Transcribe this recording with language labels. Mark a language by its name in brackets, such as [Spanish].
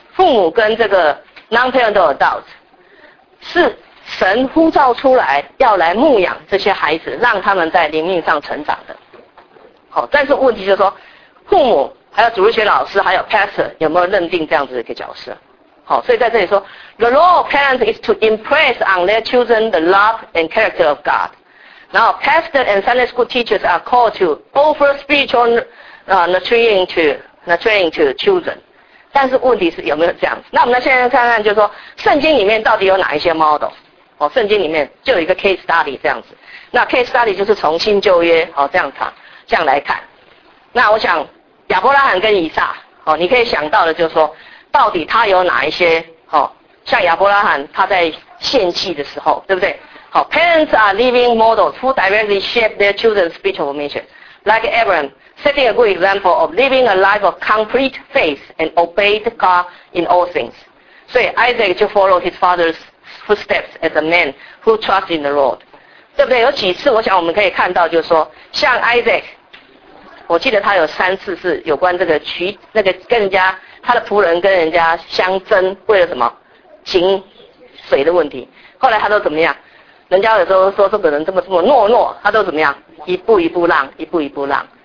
[Chinese] 父母跟这个 [English] non-parent adult [Chinese] 是神呼召出来要来牧养这些孩子，让他们在灵命上成长的。好，但是问题就是说，父母还有主日学老师还有 pastor 有没有认定这样子的一个角色？好，所以在这里说 ， [English] the role of parents is to impress on their children the love and character of God。 [Chinese] 然后 [English] pastor and Sunday school teachers are called to offer spiritual nurturing to children。 [Chinese] 但是问题是有没有这样子？那我们现在看看，就是说圣经里面到底有哪一些 model？哦，圣经里面就有一个 case study 这样子。那 case study 就是从新旧约哦这样来看。那我想亚伯拉罕跟以撒哦，你可以想到的就是说，到底他有哪一些哦？像亚伯拉罕他在献祭的时候，对不对？ [English] 好、哦、，parents are living models who directly shape their children's spiritual formation, like Abraham. Setting a good example of living a life of complete faith and obeyed God in all things. So Isaac just followed his father's footsteps as a man who trusted in the Lord. [Chinese] 对不对？有几次我想我们可以看到就是说像 Isaac， 我记得他有三次是有关这个跟人家他的仆人跟人家相争，为了什么井水的问题。后来他都怎么样，人家有时候说这个人这么懦弱，他都怎么样，一步一步让。